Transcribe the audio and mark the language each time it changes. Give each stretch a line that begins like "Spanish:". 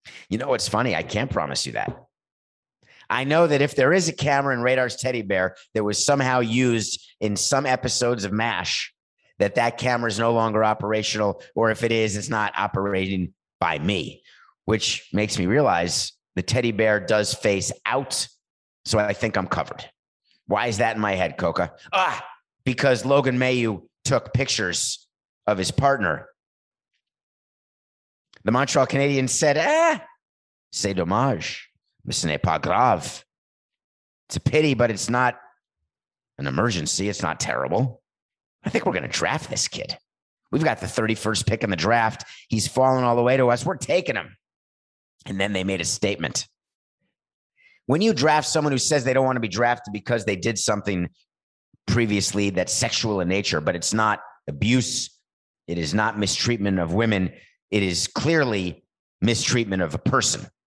English: You know what's funny? I can't promise you that. I know that if there is a camera in Radar's teddy bear that was somehow used in some episodes of MASH, that camera is no longer operational, or if it is, it's not operating by me, which makes me realize the teddy bear does face out, so I think I'm covered. Why is that in my head, Coca? Because Logan Mayhew took pictures of his partner. The Montreal Canadiens said,
French: c'est dommage, mais ce n'est pas grave.
English: It's a pity, but it's not an emergency. It's not terrible. I think we're going to draft this kid. We've got the 31st pick in the draft. He's fallen all the way to us. We're taking him. And then they made a statement. When you draft someone who says they don't want to be drafted because they did something previously that's sexual in nature, but it's not abuse, it is not mistreatment of women, it is clearly mistreatment of a person.